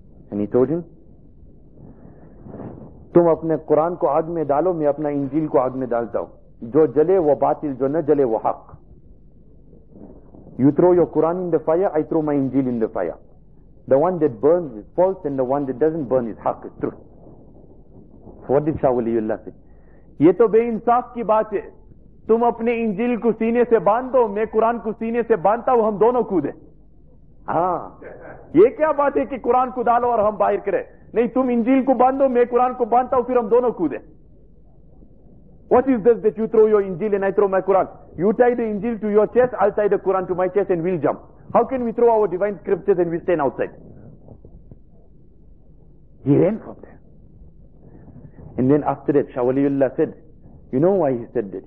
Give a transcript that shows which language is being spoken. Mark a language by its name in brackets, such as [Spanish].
[English] And he told him, [Urdu] تم اپنے قرآن کو آگ میں ڈالو, میں اپنا انجیل کو آگ میں ڈالتا ہوں. جو جلے وہ باطل, جو نہ جلے وہ حق. [English] You throw your Quran in the fire, I throw my انجیل in the fire. The one that burns is false and the one that doesn't burn is حق, is truth. So what did Shah Waliy Allah say? [Urdu] یہ تو بے انصاف کی بات ہے. تم اپنے انجیل کو سینے سے باندھو, میں قرآن کو سینے سے باندھتا ہوں, ہم دونوں کودیں. ہاں یہ کیا بات ہے کہ قرآن کو ڈالو اور ہم باہر کریں. نہیں, تم انجیل کو باندھو, میں قرآن کو باندھتا ہوں, پھر ہم دونوں کودیں. [English] What is this that you throw your انجیل and I throw my Quran? You tie the انجیل to your chest, I'll tie the Quran to my chest and we'll jump. How can we throw our divine scriptures and we stand outside? He ran from there. And then after that, Shah Waliullah said, you know why he said that?